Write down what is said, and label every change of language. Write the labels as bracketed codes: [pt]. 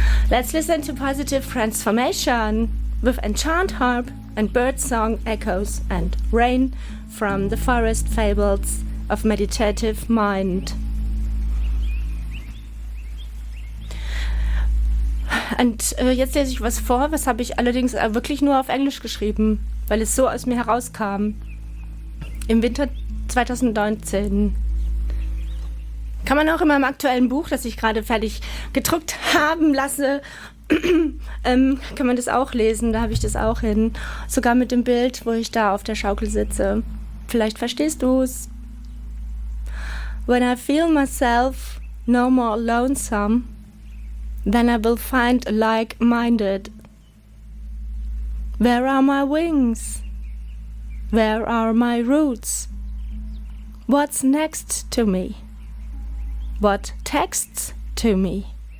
[en] Let's listen to Positive Transformation with Enchant Harp and Birdsong Echoes and Rain from the Forest Fables of Meditative Mind. [de] Und jetzt lese ich was vor, was habe ich allerdings wirklich nur auf Englisch geschrieben, weil es so aus mir herauskam. Im Winter 2019. Kann man auch in meinem aktuellen Buch, das ich gerade fertig gedruckt haben lasse, kann man das auch lesen, da habe ich das auch hin. Sogar mit dem Bild, wo ich da auf der Schaukel sitze. Vielleicht verstehst du es. [en] When I feel myself no more lonesome, then I will find like-minded. Where are my wings? Where are my roots? What's next to me? What texts to me?